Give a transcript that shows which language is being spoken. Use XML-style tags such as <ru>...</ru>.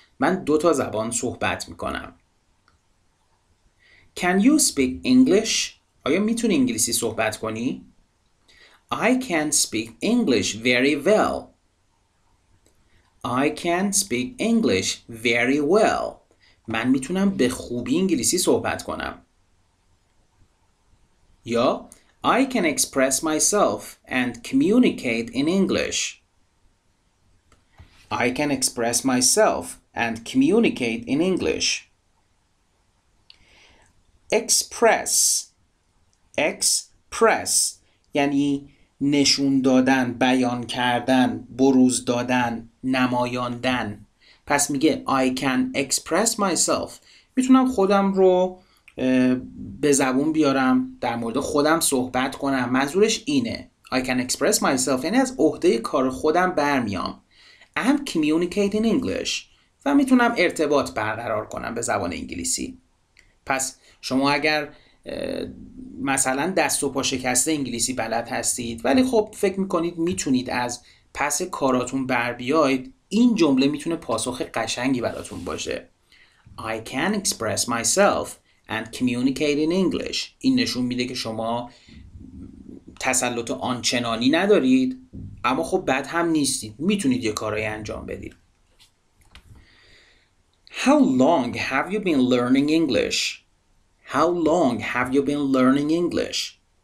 <fa>من 2 زبان صحبت میکنم.</fa> <en>Can you speak English?</en> <fa>آیا میتونی انگلیسی صحبت کنی؟</fa> <en>I can speak English very well. I can speak English very well.</en> <fa>من میتونم به خوبی انگلیسی صحبت کنم.</fa> <en>یا I can express myself and communicate in English. I can express myself and communicate in English. Express.</en> <fa>Express یعنی نشون دادن، بیان کردن، بروز دادن، نمایاندن. پس میگه</fa> <en>I can express myself.</en> <fa>میتونم خودم رو به زبون بیارم، در مورد خودم صحبت کنم. منظورش اینه</fa> <en>I can express myself،</en> <fa>یعنی از عهده کار خودم برمیام.</fa> <en>I'm communicating English</en> <fa>و میتونم ارتباط برقرار کنم به زبان انگلیسی. پس شما اگر مثلا دست و پا شکسته انگلیسی بلد هستید ولی خب فکر میکنید میتونید از پس کاراتون بر بیاید، این جمله میتونه پاسخ قشنگی براتون باشه.</fa> <en>I can express myself and communicate in English.</en> <fa>این نشون میده که شما تسلط آنچنانی ندارید، اما خب بد هم نیستید، میتونید یه کارای انجام بدید.</fa> <en>How long have you been learning English? How long have you been learning English?</en>